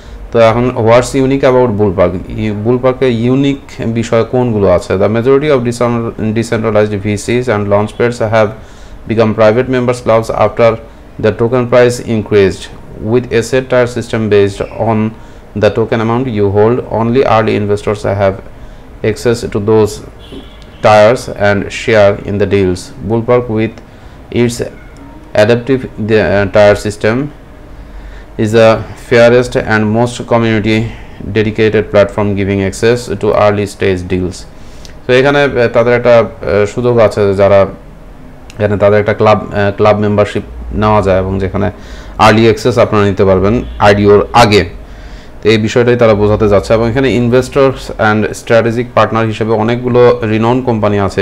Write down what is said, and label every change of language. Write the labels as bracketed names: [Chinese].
[Bangla] তো এখন হোয়াটস unique about bull park, বুল পার্কে ইউনিক বিষয় কোনগুলো আছে? [English] The majority of decentralized VCs and launch pads have become private members clubs after the token price increased with a set tier system based on the token amount you hold. Only early investors have access to those tiers and share in the deals. Bull Park with its adaptive tier system is the fairest and most community dedicated platform giving access to early stage deals. [Bangla] So এখানে তাদের একটা সুযোগ আছে যারা এখানে তাদের একটা club membership নেওয়া যায় এবং যেখানে আর্লি অ্যাক্সেস আপনারা নিতে পারবেন আইডিওর আগে। তো এই বিষয়টাই তারা বোঝাতে যাচ্ছে। এবং এখানে [English] investors and strategic partner [Bangla] হিসেবে অনেকগুলো রিনন কোম্পানি আছে।